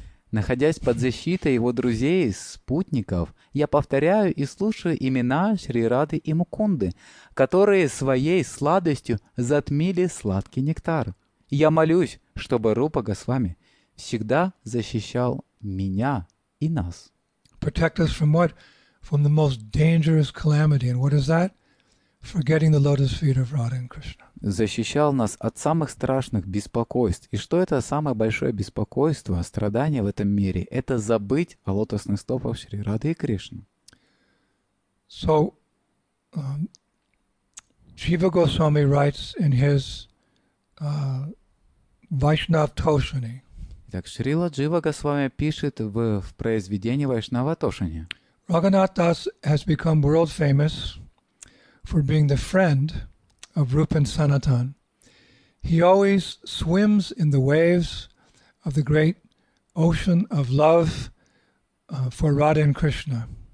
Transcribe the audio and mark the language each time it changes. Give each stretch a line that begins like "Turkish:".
Russian: Находясь под защитой его друзей и спутников, я повторяю и слушаю имена Шри Рады и Мукунды, которые своей сладостью затмили сладкий нектар. Я молюсь, чтобы Рупа Госвами всегда защищал меня и нас.
English: Protect us from what? From the most dangerous calamity. And what is that? Forgetting the lotus feet of Radha and Krishna.
Russian: Защищал нас от самых страшных беспокойств. И что это самое большое беспокойство, страдание в этом мире? Это забыть о лотосных стопах Шри Рады и Кришны.
English: So, Shiva Goswami writes in his Vaishnav Toshani.
Russian: Так Шрила Джива Госвами пишет в произведении Вайшнава Тошани.
English: Raghunath Das has become world famous for being the friend of Rupa and Sanatan. He always swims in the waves of the great ocean of love for Radha and Krishna.